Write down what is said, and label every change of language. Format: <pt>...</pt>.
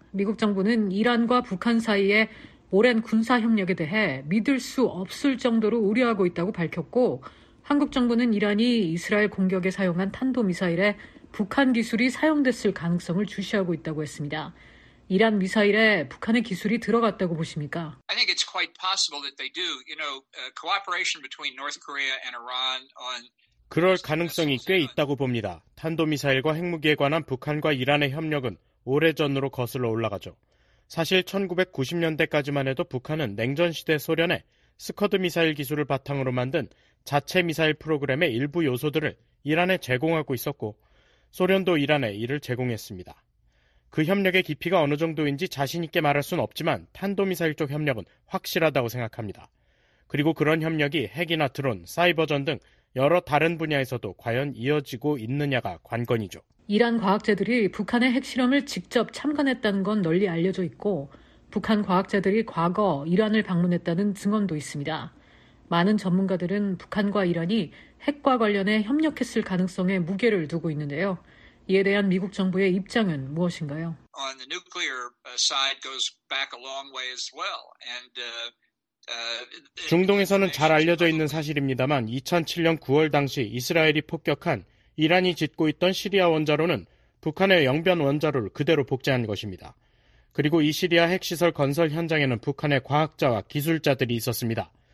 <ko>미국 정부는 이란과 북한 사이의 오랜 군사협력에 대해 믿을 수 없을 정도로 우려하고 있다고 밝혔고 한국 정부는 이란이 이스라엘 공격에 사용한 탄도미사일에 북한 기술이 사용됐을 가능성을 주시하고 있다고 했습니다. 이란 미사일에 북한의 기술이 들어갔다고 보십니까?</ko> <en>I think it's quite possible that they do. You know, cooperation between North Korea and Iran on</en> <ko>그럴 가능성이 꽤 있다고 봅니다. 탄도미사일과 핵무기에 관한 북한과 이란의 협력은 오래전으로 거슬러 올라가죠. 사실 1990년대까지만 해도 북한은 냉전시대 소련의 스커드 미사일 기술을 바탕으로 만든 자체 미사일 프로그램의 일부 요소들을 이란에 제공하고 있었고 소련도 이란에 이를 제공했습니다. 그 협력의 깊이가 어느 정도인지 자신 있게 말할 순 없지만 탄도미사일 쪽 협력은 확실하다고 생각합니다. 그리고 그런 협력이 핵이나 드론, 사이버전 등 여러 다른 분야에서도 과연 이어지고 있느냐가 관건이죠. 이란 과학자들이 북한의 핵실험을 직접 참관했다는 건 널리 알려져 있고 북한 과학자들이 과거 이란을 방문했다는 증언도 있습니다. 많은 전문가들은 북한과 이란이 핵과 관련해 협력했을 가능성에 무게를 두고 있는데요. 이에 대한 미국 정부의 입장은 무엇인가요?</ko> <en>On the nuclear side goes back a long way as well. And</en> <ko>중동에서는 잘 알려져 있는 사실입니다만 2007년 9월 당시 이스라엘이 폭격한 이란이 짓고 있던 시리아 원자로는 북한의 영변 원자로를 그대로 복제한 것입니다. 그리고 이 시리아 핵시설 건설 현장에는 북한의 과학자와 기술자들이 있었습니다.</ko>